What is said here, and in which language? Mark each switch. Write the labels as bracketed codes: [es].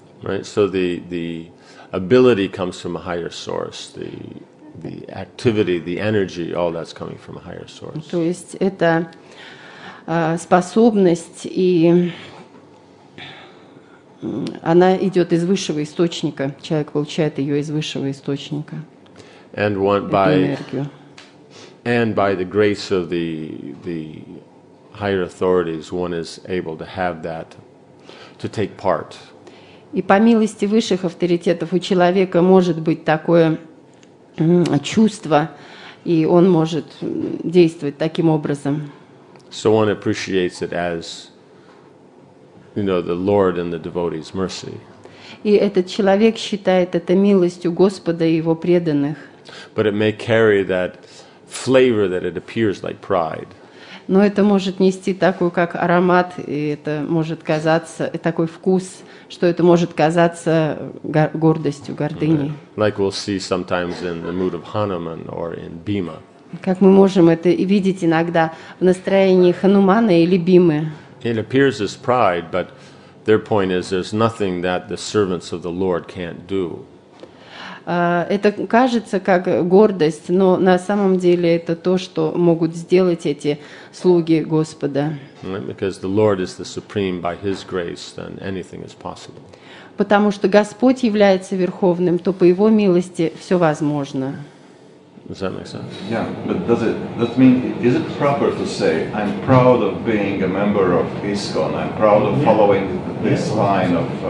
[en] Right, so the ability comes from a higher source. The activity, the energy, all that's coming from a higher source. [ru] То есть это способность и она идет из высшего источника. Человек получает ее из высшего источника. [en] And one by энергию. And by the grace of the higher authorities, one is able to have that, to take part. [ru] И по милости высших авторитетов у человека может быть такое чувство, и он может действовать таким образом. [en] So one appreciates it as, you know, the Lord and the devotee's mercy. [ru] И этот человек считает это милостью Господа и его преданных. [en] But it may carry that flavor that it appears like pride. [ru] Но это может нести такой как аромат, и это может казаться, и такой вкус, что это может казаться гордостью, гордыней. [en] Right. Like we'll see sometimes in the mood of Hanuman or in Bhima. [ru] Как мы можем это видеть иногда в настроении Ханумана или Бимы. [en] It appears as pride, but their point is there's nothing that the servants of the Lord can't do. [ru] Это кажется как гордость, но на самом деле это то, что могут сделать эти слуги Господа. [en] Because the Lord is the supreme, by His grace, then anything is possible. [ru] Потому что Господь является верховным, то по Его милости все возможно. [en] Does that make sense? Yeah, but does it mean, is it proper to say, I'm proud of being a member of ISKCON, I'm proud of following this line of...